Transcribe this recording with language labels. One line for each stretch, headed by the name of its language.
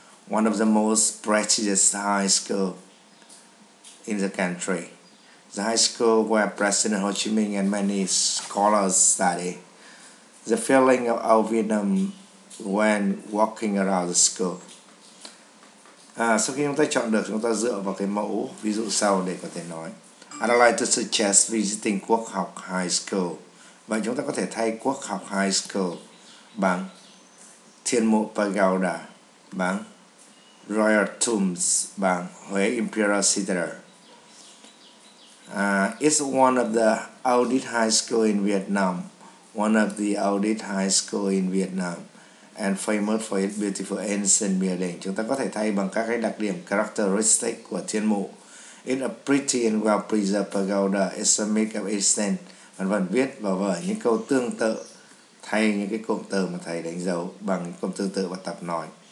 English: One of the most prestigious high school in the country. The high school where President Ho Chi Minh and many scholars study. The feeling of our Vietnam when walking around the school.
Vietnamese: Sau khi chúng ta chọn được, chúng ta dựa vào cái mẫu ví dụ sau để có thể nói.
English: I'd like to suggest visiting Quốc Học High School.
Vietnamese: Và chúng ta có thể thay Quốc Học High School bằng Thiên Mộ Pagoda, bằng Royal Tombs, bằng Huế Imperial Theatre.
English: It's one of the oldest high school in Vietnam. One of the oldest high school in Vietnam. And famous for its beautiful ancient building.
Vietnamese: Chúng ta có thể thay bằng các cái đặc điểm characteristic của Thiên Mộ.
English: It's a pretty and well-preserved pagoda. It's a mix of Eastern.
Vietnamese: Vân vân, viết vào vở những câu tương tự, thay những cái cụm từ mà thầy đánh dấu bằng cụm tương tự và tập nói.